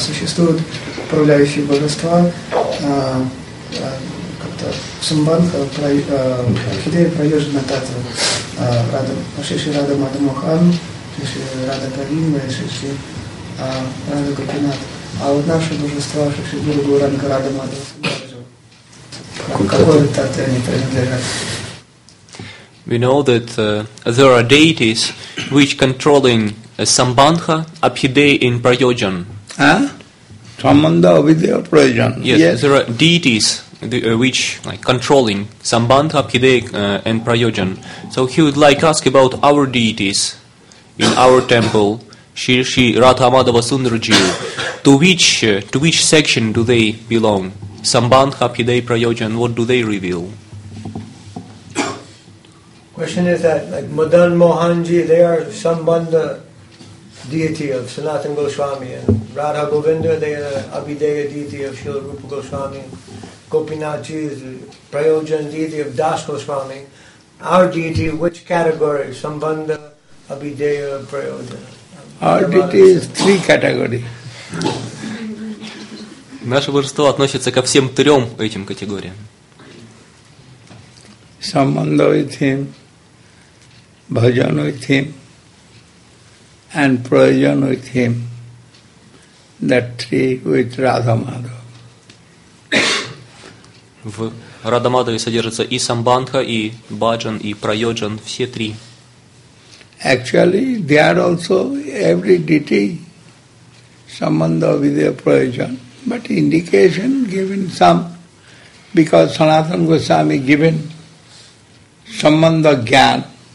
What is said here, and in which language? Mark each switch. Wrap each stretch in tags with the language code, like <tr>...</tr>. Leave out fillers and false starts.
<ru>Существуют управляющие божества, как-то Сумбанха, Хидея Прайожина Татва, Шиши Рада Мадамохан, Шиши Рада Калинга, Шиши Рада Гопинат. А вот наши божества, Шиши Гуру Ранга Рада Мадамохан, какой Татве они принадлежат?</ru> <en>We know that there are deities which controlling Sambandha, Abhidei, and Prayojan. Sambandha, Abhidei, and Prayojan. Yes, there are deities which controlling Sambandha, Abhidei, and Prayojan. So he would like ask about our deities in our temple, Shri Radha Madhava Sundarji. To which section do they belong? Sambandha, Abhidei, Prayojan, what do they reveal? Question is that, like Madan Mohanji, they are Sambandha deity of Sanatana Goswami, and Radha Govinda, they are Abhideya deity of Srila Rupa Goswami, Gopinathji is Prayojan deity of Das Goswami. Our deity, which category? Sambandha, Abhideya, Prayojan? Our deity is three categories.</en> <ru>Наше божество относится ко всем трем этим категориям.</ru> <en>Sambandha with him. Bhajan with him and Prayojan with him, that three with Radha Madhava.</en> <ru>В Радха Мадхаве содержится и Самбандха, и Баджан, и Прайоджан, все три.</ru> <en>Actually, they are also every deity, Samandha Vidya Prayojan, but indication given some, because Sanatana Goswami given Samandha Gyan.</en>